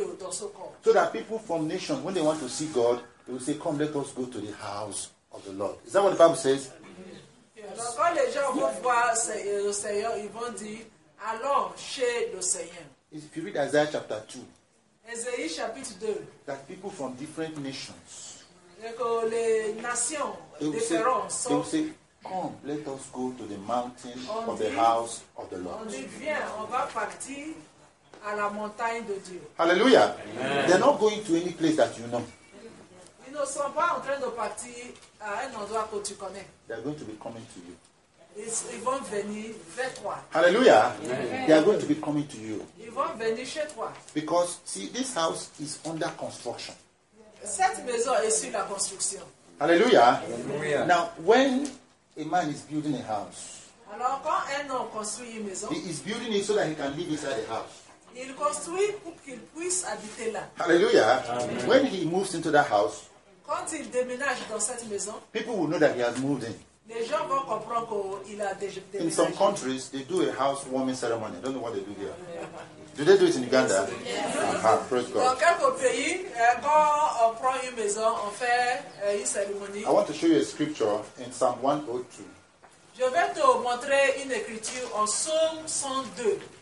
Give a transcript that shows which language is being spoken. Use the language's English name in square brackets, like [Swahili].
[English] So that people from nations, when they want to see God, they will say, come, let us go to the house of the Lord. Is that what the Bible says? Yes. [French] Quand les gens vont voir le Seigneur, ils vont dire, allons chez le Seigneur. [English] If you read Isaiah chapter 2, [French] Esaïe chapitre 2, [English] that people from different nations, [French] les nations différentes, [English] they will say, come, let us go to the mountain of the house of the Lord. [French] On dit, viens, on va partir à la montagne de Dieu. [English] Hallelujah. Amen. They're not going to any place that you know. [French] Ils ne sont pas en train de partir à un endroit que tu connais. [English] They're going to be coming to you. [French] Ils vont venir vers toi. [English] Hallelujah. Amen. They are going to be coming to you. [French] Ils vont venir chez toi. [English] Because, see, this house is under construction. [French] Cette maison est sur la construction. [English] Hallelujah. Hallelujah. Now, when a man is building a house. [French] Alors, quand un homme construit une maison, [English] he is building it so that he can live inside the house. [French] Il construit pour qu'il puisse habiter là. [English] Hallelujah. Amen. When he moves into that house, [French] quand il déménage dans cette maison, [English] people will know that he has moved in. [French] Les gens vont comprendre qu'il a déménagé. [English] In some countries, they do a house warming ceremony. I don't know what they do there. Do they do it in Uganda? Yes. Praise God. [French] Dans quelques pays, quand on prend une maison, on fait une cérémonie. [English] I want to show you a scripture in Psalm 102. [French] Je vais te montrer une écriture en Psalm 102.